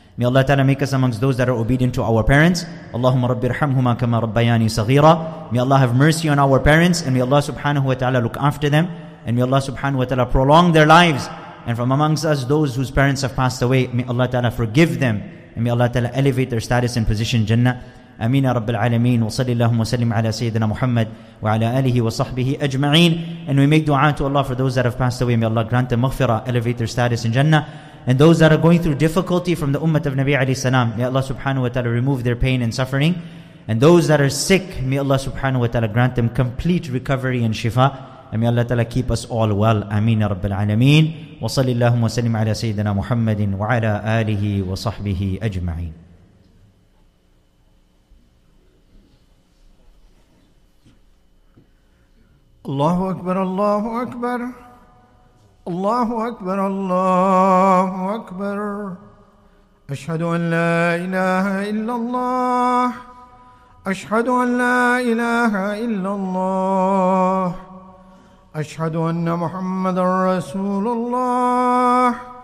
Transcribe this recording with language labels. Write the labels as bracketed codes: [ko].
[en] May Allah Ta'ala make us amongst those that are obedient to our parents. [ar] Allahumma rabbi irhamhuma kama rabbayani saghira. [en] May Allah have mercy on our parents. And may Allah subhanahu wa ta'ala look after them. And may Allah subhanahu wa ta'ala prolong their lives. And from amongst us, those whose parents have passed away, may Allah Ta'ala forgive them. And may Allah Ta'ala elevate their status and position in Jannah. [ar] أمين رب العالمين وصل اللهم وسلم على سيدنا محمد وعلى آله وصحبه أجمعين. [en] And we make dua to Allah for those that have passed away. May Allah grant them مغفرة, elevate their status in Jannah. And those that are going through difficulty from the ummah of Nabi alayhi salam, may Allah subhanahu wa ta'ala remove their pain and suffering. And those that are sick, may Allah subhanahu wa ta'ala grant them complete recovery and shifa. And may Allah ta'ala keep us all well. [ar] أمين رب العالمين وصل اللهم وسلم على سيدنا محمد وعلى آله وصحبه أجمعين. الله أكبر الله أكبر الله أكبر الله أكبر أشهد أن لا إله إلا الله أشهد أن لا إله إلا الله أشهد أن محمد رسول الله